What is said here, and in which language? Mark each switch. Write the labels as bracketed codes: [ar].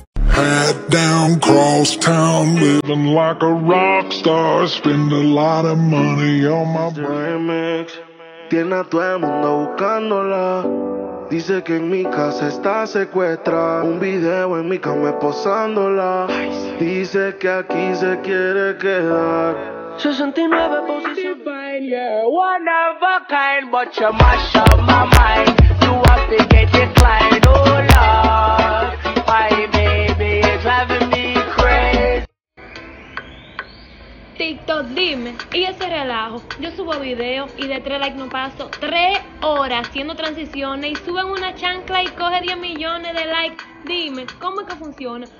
[en] Head down, cross town, living like a rock star. Spend a lot of money on my remix. [es] Tiene a todo el mundo buscándola. Dice que en mi casa está secuestrada. Un video en mi cama esposándola. Dice que aquí se quiere quedar. 69 posiciones. [en] Fine, yeah, one of a kind. But you mash up my mind. You have to get declined, oh love. My baby is having me crazy. [es] TikTok, dime, y ese relajo. Yo subo video y de 3 likes no paso 3 horas haciendo transiciones. Y suben una chancla y coge 10 millones de likes. Dime, ¿cómo es que funciona?